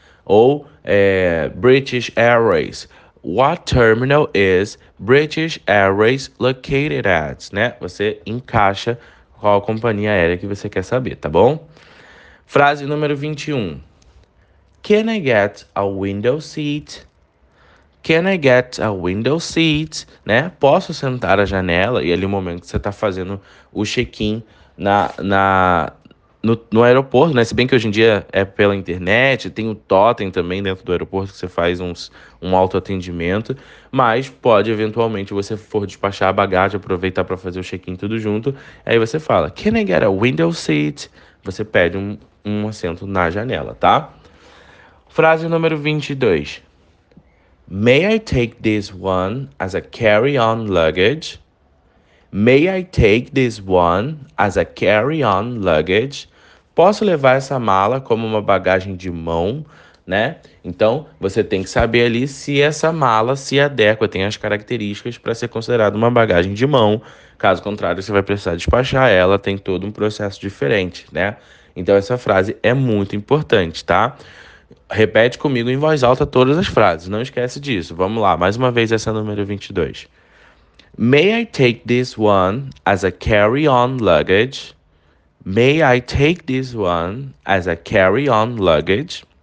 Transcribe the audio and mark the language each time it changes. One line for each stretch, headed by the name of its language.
English: Ou British Airways, what terminal is British Airways located at?
Portuguese: Né? Você encaixa qual a companhia aérea que você quer saber, tá bom? Frase número 21.
English: Can I get a window seat? Can I get a window seat? Né?
Portuguese: Posso sentar à janela? E ali no momento que você está fazendo o check-in no aeroporto, né? Se bem que hoje em dia é pela internet, tem o totem também dentro do aeroporto que você faz um autoatendimento, mas pode eventualmente você for despachar a bagagem, aproveitar para fazer o check-in tudo junto, aí você fala:
English: Can I get a window seat?
Portuguese: Você pede um assento na janela, tá? Frase número 22.
English: May I take this one as a carry-on luggage? May I take this one as a carry-on luggage?
Portuguese: Posso levar essa mala como uma bagagem de mão, né? Então, você tem que saber ali se essa mala se adequa, tem as características para ser considerada uma bagagem de mão. Caso contrário, você vai precisar despachar ela, tem todo um processo diferente, né? Então, essa frase é muito importante, tá? Repete comigo em voz alta todas as frases, não esquece disso. Vamos lá, mais uma vez essa é a número 22.
English: May I take this one as a carry-on luggage? May I take this one as a carry-on luggage?